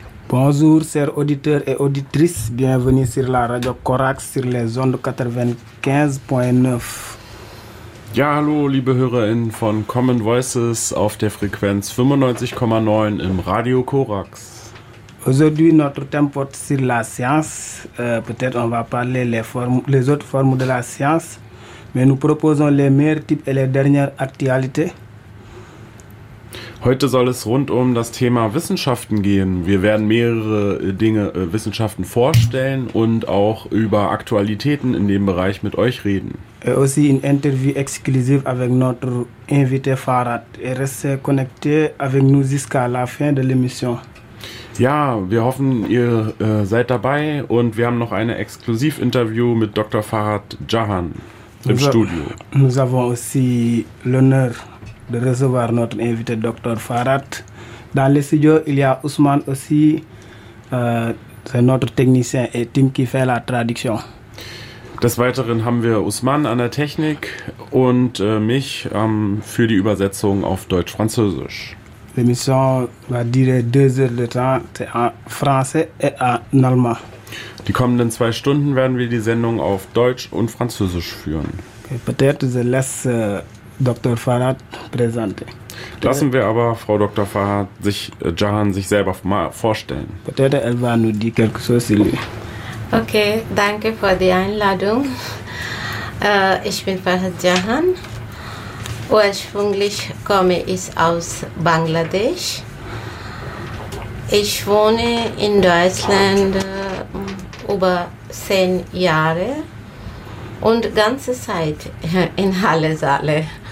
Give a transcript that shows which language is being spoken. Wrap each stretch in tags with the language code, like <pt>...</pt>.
<fr>Bonjour, chers auditeurs et auditrices. Bienvenue sur la radio Corax sur les ondes 95.9.</fr> <de>Ja, hallo, liebe HörerInnen von Common Voices auf der Frequenz 95,9 im Radio Corax.</de> <fr>Aujourd'hui, notre thème porte sur la science. Peut-être on va parler les autres formes de la science, mais nous proposons les meilleurs types et les dernières actualités.</fr> <de>Heute soll es rund um das Thema Wissenschaften gehen. Wir werden mehrere Dinge, Wissenschaften vorstellen und auch über Aktualitäten in dem Bereich mit euch reden.</de> <fr>Aussi</fr> <de>ein Interview exklusiv</de> <fr>avec notre invité Farad. Restez connecté avec nous jusqu'à la fin de l'émission.</fr> <de>Ja, wir hoffen, ihr seid dabei und wir haben noch eine Exklusiv-Interview mit Dr. Farad Jahan im Studio.</de> <fr>Nous avons aussi l'honneur de recevoir notre invité Dr. Farad. Dans le studio, il y a Ousmane aussi, c'est notre technicien et Tim qui fait la traduction.</fr> <de>Des Weiteren haben wir Ousmane an der Technik und mich für die Übersetzung auf Deutsch-Französisch.</de> <fr>L'émission va durer 2 heures de temps, c'est en français et en allemand.</fr> <de>Die kommenden 2 Stunden werden wir die Sendung auf Deutsch und Französisch führen.</de> <fr>Okay, peut-être je laisse Dr. Farad présente.</fr> <de>Lassen wir aber Frau Dr. Farad sich, Jahan, sich selber mal vorstellen.</de> <fr>Peut-être elle va nous dire quelque chose, Sylvie.</fr> <de>Okay, danke für die Einladung. Ich bin Farad Jahan. Ursprünglich komme ich aus Bangladesch. Ich wohne in Deutschland über 10 Jahre und ganze Zeit in Halle-Saale.</de>